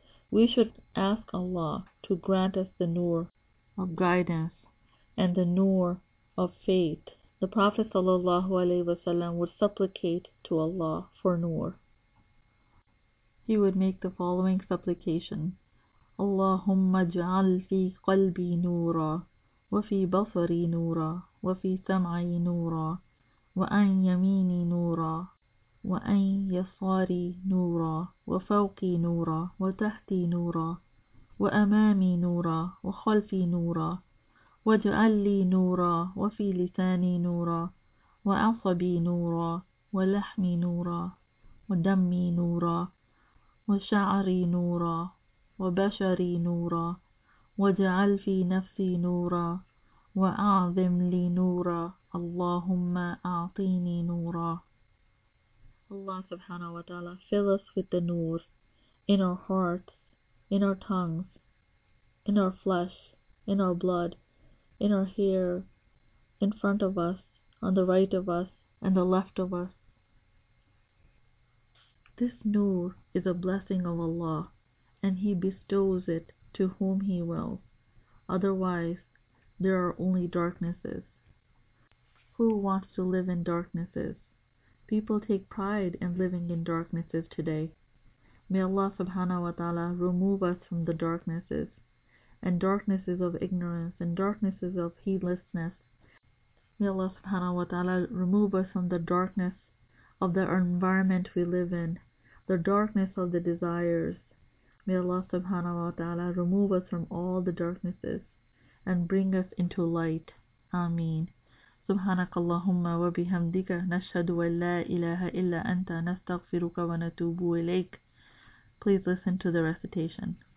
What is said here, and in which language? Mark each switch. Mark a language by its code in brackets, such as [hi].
[en] We should ask Allah to grant us the nur of guidance and the nur of faith. The Prophet sallallahu alaihi wasallam would supplicate to Allah for nur. He would make the following supplication: [ar] Allahumma ja'al fi qalbi nura وفي بصري نورا وفي سمعي نورا وأن يميني نورا وأن يساري نورا وفوقي نورا وتحتي نورا وأمامي نورا وخلفي نورا واجعل لي نورا وفي لساني نورا وعصبي نورا ولحمي نورا ودمي نورا وشعري نورا وبشري نورا واجعل في نفسي نورا وأعظم لي نورا اللهم أعطيني نورا. [en] Allah subhanahu wa ta'ala, fill us with the nur in our hearts, in our tongues, in our flesh, in our blood, in our hair, in front of us, on the right of us, and the left of us. This nur is a blessing of Allah, and He bestows it to whom He wills. Otherwise, there are only darknesses. Who wants to live in darknesses? People take pride in living in darknesses today. May Allah subhanahu wa ta'ala remove us from the darknesses, and darknesses of ignorance, and darknesses of heedlessness. May Allah subhanahu wa ta'ala remove us from the darkness of the environment we live in, the darkness of the desires. May Allah subhanahu wa ta'ala remove us from all the darknesses, and bring us into light. Ameen. [ar] سبحانك اللهم وبحمدك نشهد أن لا إله إلا أنت نستغفرك ونتوب إليك. [en] Please listen to the recitation.